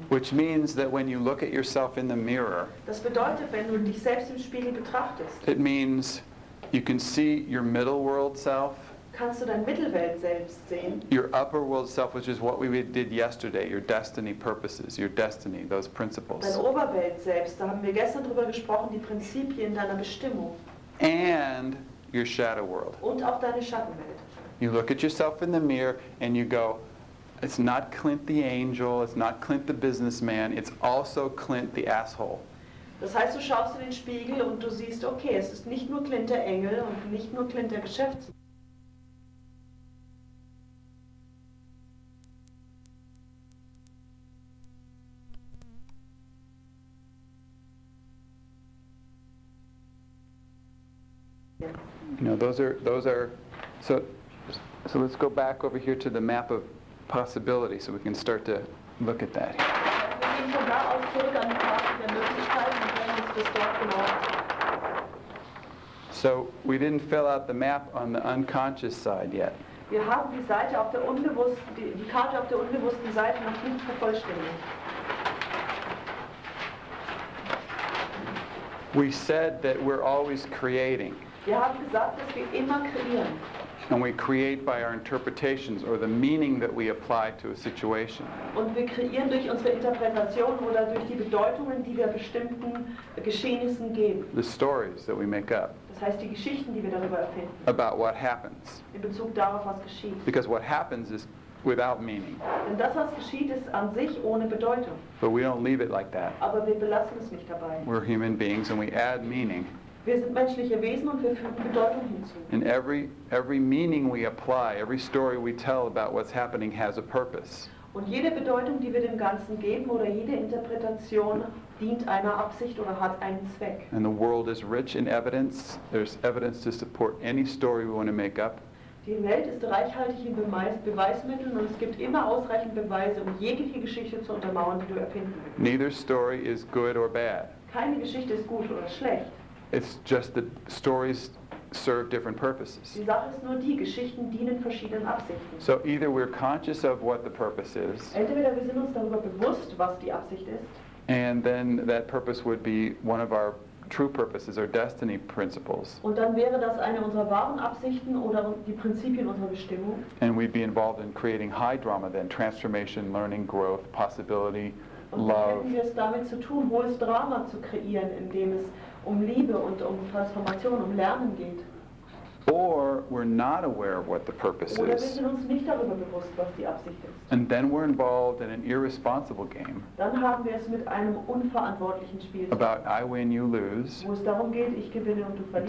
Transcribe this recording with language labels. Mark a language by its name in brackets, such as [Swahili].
[English] Which means that when you look at yourself in the mirror. [German] Das bedeutet, wenn du dich selbst im Spiegel betrachtest. [English] It means you can see your middle world self. [German] Kannst du dein Mittelwelt selbst sehen? [English] Your upper world self, which is what we did yesterday, your destiny purposes, your destiny, those principles. [German] Dein Oberwelt selbst, da haben wir gestern drüber gesprochen, die Prinzipien deiner Bestimmung. [English] And your shadow world. [German] Und auch deine Schattenwelt. [English] You look at yourself in the mirror and you go, it's not Clint the angel, it's not Clint the businessman, it's also Clint the asshole. [German] Das heißt, du schaust in den Spiegel und du siehst, okay, es ist nicht nur Clint der Engel und nicht nur Clint der Geschäftsmann. [English] You know, those are so let's go back over here to the map of possibility so we can start to look at that. So we didn't fill out the map on the unconscious side yet. [German] Wir haben die Seite auf der unbewussten, die Karte auf der unbewussten Seite noch nicht vervollständigt. [English] We said that we're always creating. [German] Wir haben gesagt, dass wir immer kreieren. [English] And we create by our interpretations or the meaning that we apply to a situation. [German] Und wir kreieren durch unsere Interpretation oder durch die Bedeutungen, die wir bestimmten Geschehnissen geben. [English] The stories that we make up. [German] Das heißt, die Geschichten, die wir darüber erfinden. [English] About what happens. [German] In Bezug darauf, was geschieht. [English] Because what happens is without meaning. [German] Denn das, was geschieht, ist an sich ohne Bedeutung. [English] But we don't leave it like that. [German] Aber wir belassen es nicht dabei. [English] We're human beings and we add meaning. [German] Wir sind menschliche Wesen und wir fügen Bedeutung hinzu. [English] And every meaning we apply, every story we tell about what's happening has a purpose. [German] Und jede Bedeutung, die wir dem Ganzen geben oder jede Interpretation dient einer Absicht oder hat einen Zweck. [English] And the world is rich in evidence. There's evidence to support any story we want to make up. [German] Die Welt ist reichhaltig in Beweismitteln und es gibt immer ausreichend Beweise, um jegliche Geschichte zu untermauern, die du erfinden willst. [English] Neither story is good or bad. [German] Keine Geschichte ist gut oder schlecht. [English] It's just that stories serve different purposes. [German] Die Sache ist nur die, Geschichten dienen verschiedenen Absichten. [English] So either we're conscious of what the purpose is. [German] Entweder wir sind uns darüber bewusst, was die Absicht ist. [English] And then that purpose would be one of our true purposes, our destiny principles. [German] Und dann wäre das eine unserer wahren Absichten oder die Prinzipien unserer Bestimmung. [English] And we'd be involved in creating high drama then, transformation, learning, growth, possibility, love. [German] Und dann hätten wir es damit zu tun, hohes Drama zu kreieren, indem es um Liebe und um Transformation, um Lernen geht. [English] Or we're not aware of what the purpose is. [German] Oder wir sind uns nicht darüber bewusst, was die Absicht ist. [English] And then we're involved in an irresponsible game. [German] Dann haben wir es mit einem unverantwortlichen Spiel. [English] About I win, you lose. [German] Wo es darum geht, ich gewinne und du verlierst.